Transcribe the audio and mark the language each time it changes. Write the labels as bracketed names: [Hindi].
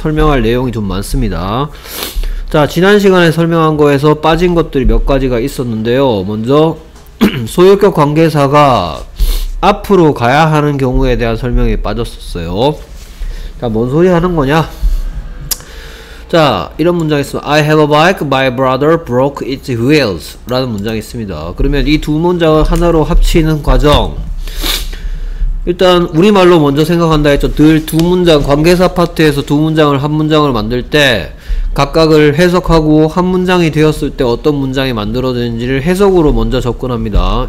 [Korean] 설명할 내용이 좀 많습니다. 자, 지난 시간에 설명한 거에서 빠진 것들이 몇 가지가 있었는데요. 먼저 소유격 관계사가 앞으로 가야 하는 경우에 대한 설명이 빠졌었어요. 자, 뭔 소리 하는 거냐? 자, 이런 문장이 있습니다. [English] I have a bike, my brother broke its wheels. [Korean] 라는 문장이 있습니다. 그러면 이두 문장을 하나로 합치는 과정. 일단 우리말로 먼저 생각한다 했죠. 늘두 문장 관계사 파트에서 두 문장을 한 문장을 만들 때 각각을 해석하고 한 문장이 되었을 때 어떤 문장이 만들어지는지를 해석으로 먼저 접근합니다.